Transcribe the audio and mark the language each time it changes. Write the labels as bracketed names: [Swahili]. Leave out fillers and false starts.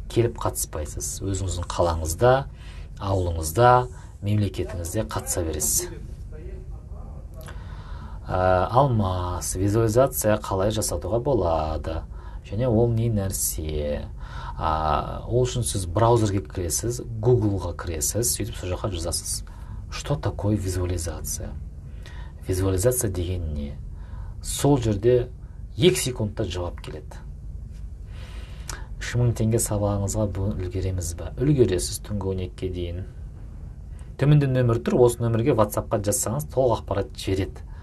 [Kazakh] Келіп қатыспайсыз. Өзіңіздің қалаңызда, ауылыңызда, мемлекетіңізде қатыса бересіз. Алмас, визуализация қалай жасатуға болады? Және ол не нәрсе? Ол үшін сіз браузерге кіресіз, Google-ға кіресіз, сөйтіп сол жаққа жазасыз. [Russian] Что такое визуализация? [Kazakh] Визуализация деген не? Сол жерде 2 секундта жауап келеді. 3000 теңге сабағыңызға бүгін үлгереміз бе? Үлгересіз түнгі 12-ге дейін. Төменде нөмір тұр, осы нөмірге WhatsApp-қа жазсаңыз, толық ақпарат жетеді.